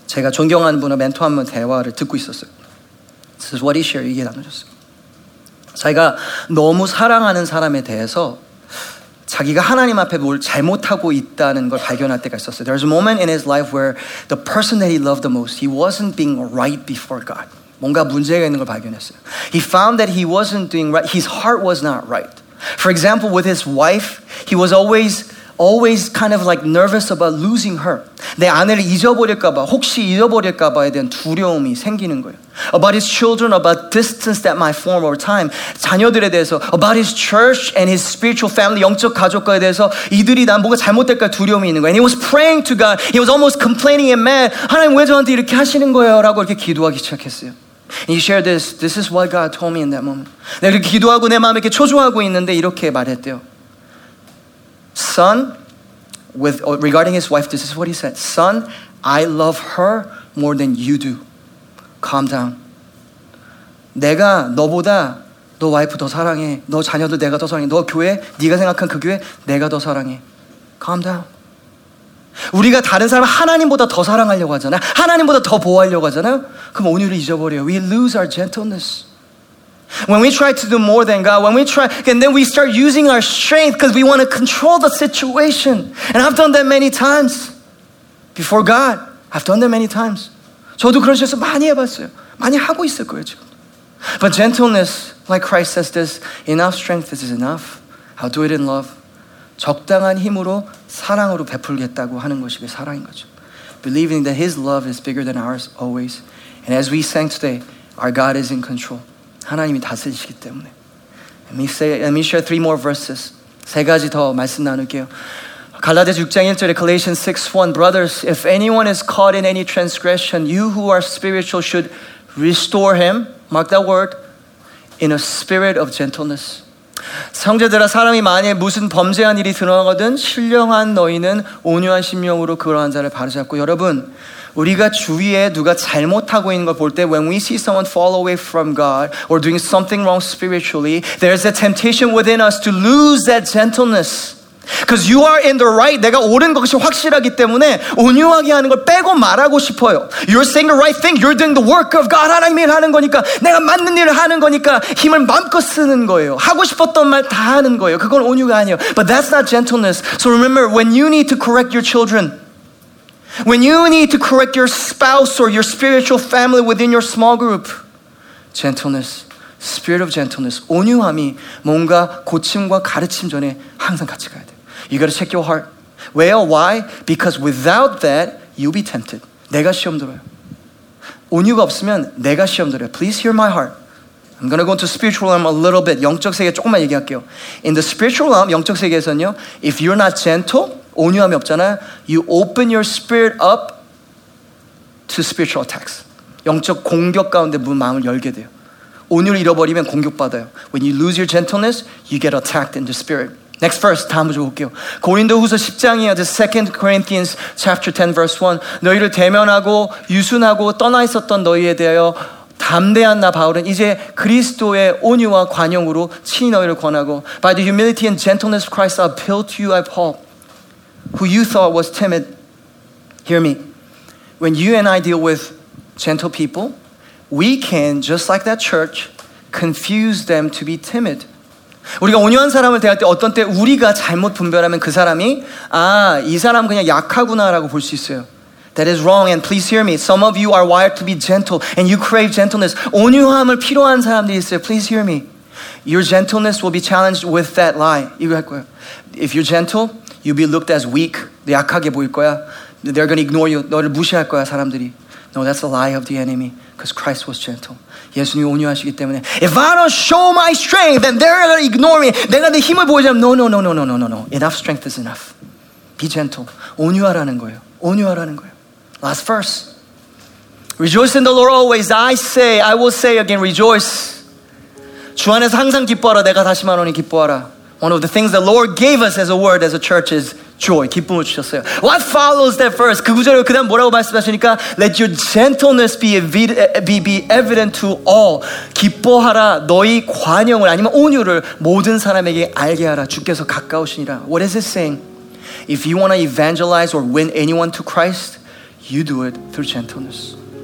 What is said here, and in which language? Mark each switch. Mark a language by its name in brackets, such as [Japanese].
[Korean] 제가 존경하는 분의 멘토 한 분 대화를 듣고 있었어요. [English] This is what he shared, [Korean] 얘기 나누셨어요. 자기가 너무 사랑하는 사람에 대해서 자기가 하나님 앞에 뭘 잘못하고 있다는 걸 발견할 때가 있었어요. [English] There was a moment in his life where the person that he loved the most, he wasn't being right before God. [Korean] 뭔가 문제가 있는 걸 발견했어요. [English] He found that he wasn't doing right. His heart was not right. For example, with his wife, he was always kind of like nervous about losing her. [Korean] 내 아내를 잊어버릴까봐, 혹시 잊어버릴까봐에 대한 두려움이 생기는 거예요. [English] About his children, about distance that might form over time. [Korean] 자녀들에 대해서, [English] about his church and his spiritual family, [Korean] 영적 가족과에 대해서 이들이 난 뭔가 잘못될까 두려움이 있는 거예요. [English] And he was praying to God. He was almost complaining and mad. [Korean] 하나님 왜 저한테 이렇게 하시는 거예요? 라고 이렇게 기도하기 시작했어요. [English] And he shared this. This is what God told me in that moment. [Korean] 내가 이렇게 기도하고 내 마음에 이렇게 초조하고 있는데 이렇게 말했대요. [English] Son, regarding his wife, this is what he said. Son, I love her more than you do. Calm down. [Korean] 내가 너보다 너 와이프 더 사랑해. 너 자녀도 내가 더 사랑해. 너 교회, 네가 생각한 그 교회 내가 더 사랑해. [English] Calm down. [Korean] 우리가 다른 사람을 하나님보다 더 사랑하려고 하잖아요. 하나님보다 더 보호하려고 하잖아요. 그럼 온유를 잊어버려요. [English] We lose our gentleness. When we try to do more than God, when we try, and then we start using our strength because we want to control the situation. And I've done that many times before God. I've done that many times. [Korean] 저도 그런 짓을 많이 해봤어요. 많이 하고 있을 거예요, 지금. [English] But gentleness, like Christ says this, enough strength is enough. I'll do it in love. [Korean] 적당한 힘으로 사랑으로 베풀겠다고 하는 것이 사랑인 거죠. [English] Believing that His love is bigger than ours always. And as we sang today, our God is in control. [Korean] 하나님이 다스리시기 때문에. [English] Let me share three more verses. [Korean] 세 가지 더 말씀 나눌게요. 갈라디아서 6장 1절에 [English] Galatians 6:1 Brothers, if anyone is caught in any transgression, you who are spiritual should restore him, mark that word, in a spirit of gentleness. [Korean] 형제들아, 사람이 만일 무슨 범죄한 일이 드러나거든 신령한 너희는 온유한 심령으로 그러한 자를 바로잡고 여러분, 우리가 주위에 누가 잘못하고 있는 걸 볼 때 [English] when we see someone fall away from God or doing something wrong spiritually, there's a temptation within us to lose that gentleness. Because you are in the right. [Korean] 내가 옳은 것이 확실하기 때문에 온유하게 하는 걸 빼고 말하고 싶어요. [English] You're saying the right thing. You're doing the work of God. [Korean] 하나님이 하는 거니까 내가 맞는 일을 하는 거니까 힘을 마음껏 쓰는 거예요. 하고 싶었던 말 다 하는 거예요. 그건 온유가 아니에요. [English] But that's not gentleness. So remember, when you need to correct your children, when you need to correct your spouse or your spiritual family within your small group, gentleness. Spirit of gentleness, [Korean] 온유함이 뭔가 고침과 가르침 전에 항상 같이 가야 돼. [English] You gotta check your heart. Why? Because without that, you'll be tempted. [Korean] 내가 시험 들어요. 온유가 없으면 내가 시험 들어요. [English] Please hear my heart. I'm going to go into spiritual realm a little bit. [Korean] 영적 세계 조금만 얘기할게요. [English] In the spiritual realm, [Korean] 영적 세계에서는요, [English] if you're not gentle, [Korean] 온유함이 없잖아요. [English] You open your spirit up to spiritual attacks. [Korean] 영적 공격 가운데 문 마음을 열게 돼요. 온유를 잃어버리면 공격받아요. [English] When you lose your gentleness, you get attacked in the spirit. Next verse, [Korean] 다음 문제 볼게요. 고린도후서 10장이에요. [English] The 2 Corinthians chapter 10 verse 1. [Korean] 너희를 대면하고 유순하고 떠나 있었던 너희에 대하여 담대한 나 바울은 이제 그리스도의 온유와 관용으로 친히 너희를 권하고 [English] By the humility and gentleness of Christ I appeal to you, I Paul, who you thought was timid. Hear me. When you and I deal with gentle people, we can, just like that church, confuse them to be timid. [Korean] 우리가 온유한 사람을 대할 때 어떤 때 우리가 잘못 분별하면 그 사람이 아, 이 사람 그냥 약하구나라고 볼 수 있어요. [English] That is wrong, and please hear me. Some of you are wired to be gentle, and you crave gentleness. [Korean] 온유함을 필요한 사람들이 있어요. [English] Please hear me. Your gentleness will be challenged with that lie. [Korean] 이거 할 거예요. [English] If you're gentle, you'll be looked as weak. [Korean] 약하게 보일 거야. [English] They're going to ignore you. [Korean] 너를 무시할 거야, 사람들이. [English] No, that's a lie of the enemy, because Christ was gentle. [Korean] 예수님이 온유하시기 때문에. [English] If I don't show my strength, then they're going to ignore me. [Korean] 내가 내 힘을 보여주면, [English] no, no, no, no, no, no, no. Enough strength is enough. Be gentle. [Korean] 온유하라는 거예요. 온유하라는 거예요. [English] Last verse. Rejoice in the Lord always. I say, I will say again, rejoice. [Korean] 주 안에서 항상 기뻐하라. 내가 다시 말하니 기뻐하라. [English] One of the things the Lord gave us as a word, as a church, is joy. [Korean] 기쁨을 주셨어요. [English] What follows that verse? [Korean] 그 구절을 그다음 뭐라고 말씀하시니까? [English] Let your gentleness be evident to all. [Korean] 기뻐하라. 너희 관용을 아니면 온유를 모든 사람에게 알게 하라. 주께서 가까우시니라. [English] What is it saying? If you want to evangelize or win anyone to Christ, you do it through gentleness.